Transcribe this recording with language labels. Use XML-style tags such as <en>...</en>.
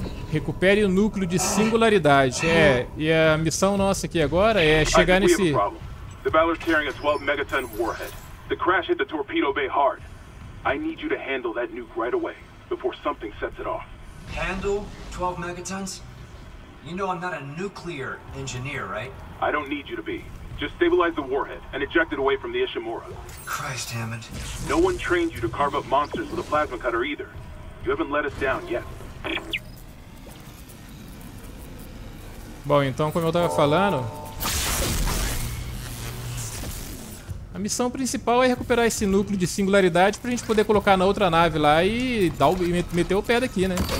<pt>Recupere o núcleo de singularidade. É, e a missão nossa aqui agora é chegar nesse.</pt> <en>The Valor's carrying a 12 megaton warhead. The crash hit the torpedo bay hard. I need you to handle that nuke right away before something sets it off. Handle 12 megatons? You know I'm not a nuclear engineer, right? I don't need you to be. Just stabilize the warhead and eject it away from the Ishimura. Christ, Hammond. No one trained you to carve up monsters with a plasma cutter either. You haven't let us down yet.</en> <pt>Bom, então, como eu tava falando, a missão principal é recuperar esse núcleo de singularidade pra gente poder colocar na outra nave lá e meter o pé daqui, né?</pt>